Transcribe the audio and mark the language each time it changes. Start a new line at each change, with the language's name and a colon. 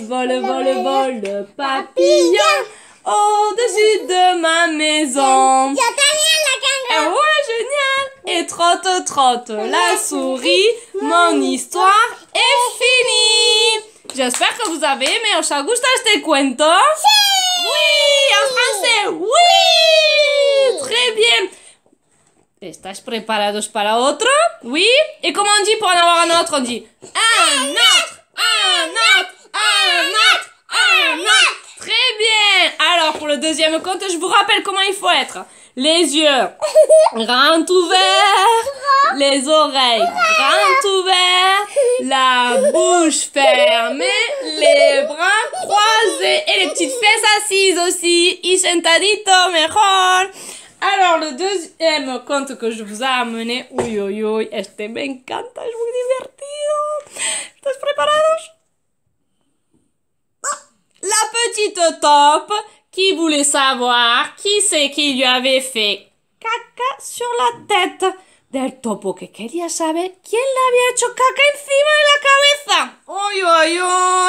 French: Vole, vole, vole, le papillon. Au-dessus de ma maison. Génial, la kangourou. Ouais, génial. Et trotte, trotte, la souris. Mon histoire est finie. J'espère que vous avez aimé.
Spanish: ¿Os ha gustado este cuento? Sí.
French: Oui, en français, oui. Très bien.
Spanish: ¿Estáis preparados para otro?
French: Oui.
Spanish: ¿Y cómo
French: on dit pour en avoir un autre? On dit un autre, un autre, un autre, un autre. Très bien. Alors, pour le deuxième conte, je vous rappelle comment il faut être. Les yeux grands ouverts, les oreilles grands ouverts, la bouche fermée, les bras croisés et les petites fesses assises aussi.
Spanish: Y sentadito mejor.
French: Alors, le deuxième conte que je vous ai amené, oui, oui, oui,
Spanish: este me encanta,
French: je vous divertido.
Spanish: ¿Estás preparados?
French: La petite taupe qui voulait savoir qui c'est qui lui avait fait caca sur la tête.
Spanish: Del topo que quería saber quién le había hecho caca encima de la cabeza.